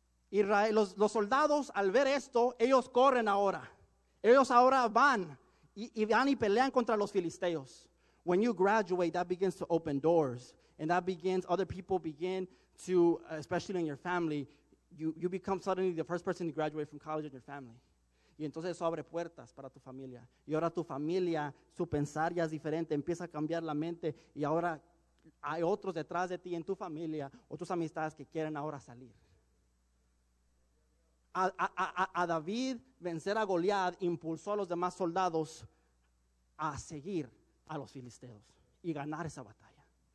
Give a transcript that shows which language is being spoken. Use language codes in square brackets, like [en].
[es] Israel, los soldados al ver esto, ellos corren ahora. Ellos ahora van y van y pelean contra los filisteos. [en] When you graduate, that begins to open doors. And that begins, other people begin to, especially in your family, you become suddenly the first person to graduate from college in your family. [es] Y entonces eso abre puertas para tu familia. Y ahora tu familia, su pensar ya es diferente, empieza a cambiar la mente. Y ahora hay otros detrás de ti en tu familia, otras amistades que quieren ahora salir. A David vencer a Goliat impulsó a los demás soldados a seguir a los filisteos y ganar esa batalla.